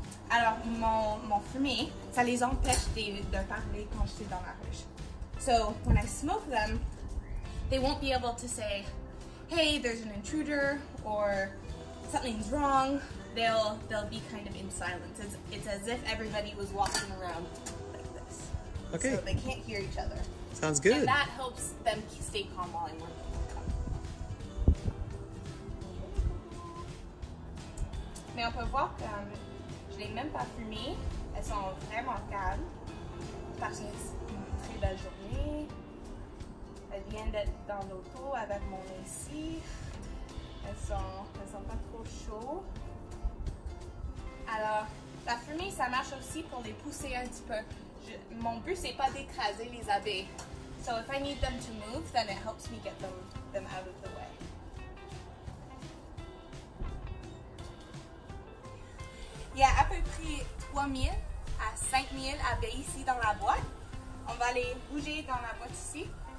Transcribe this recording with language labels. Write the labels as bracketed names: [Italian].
[French] Alors, [English] for me, [French] ça les empêche de parler quand je suis dans la ruche. [English] So, when I smoke them, they won't be able to say, hey, there's an intruder, or something's wrong. They'll be kind of in silence. It's as if everybody was walking around like this. Okay. So they can't hear each other. Sounds good. And that helps them stay calm while I'm working. [French] Mais on peut voir que je ne l'ai même pas fumée. Elles sont vraiment calmes. Parce que c'est une très belle journée. Elles viennent d'être dans l'auto avec mon ici. Elles sont pas trop chaudes. Alors, la fumée, ça marche aussi pour les pousser un petit peu. Mon but, c'est pas d'écraser les abeilles. [English] So if I need them to move, then it helps me get them out of the way. [French] Il y a à peu près 3000 à 5000 abeilles ici dans la boîte. On va les bouger dans la boîte ici.